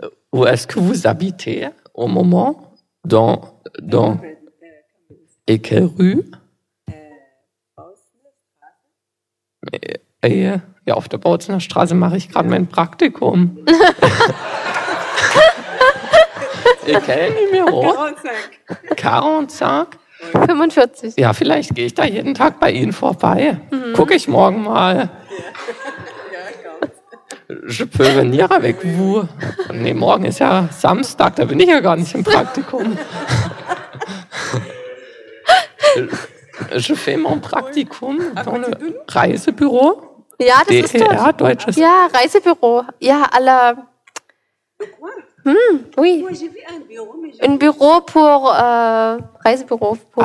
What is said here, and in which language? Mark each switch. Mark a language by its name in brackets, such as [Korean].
[French] Où est-ce que vous habitez au moment dans et quelle rue? [German] Ja, auf der Bautzener Straße mache ich gerade mein Praktikum. [French] Quelle numéro? 45. 45? [German] Ja, vielleicht gehe ich da jeden Tag bei Ihnen vorbei. Gucke ich morgen mal. [French] Je peux venir avec vous. [German] Nee, morgen ist ja Samstag, da bin ich ja gar nicht im Praktikum. [French] Je fais mon Praktikum dans le Reisebüro. [German] Ja, das ist ja deutsches. Ja, Reisebüro. Ja, à la. [French] Oui. Un Büro pour. Reisebüro. Pour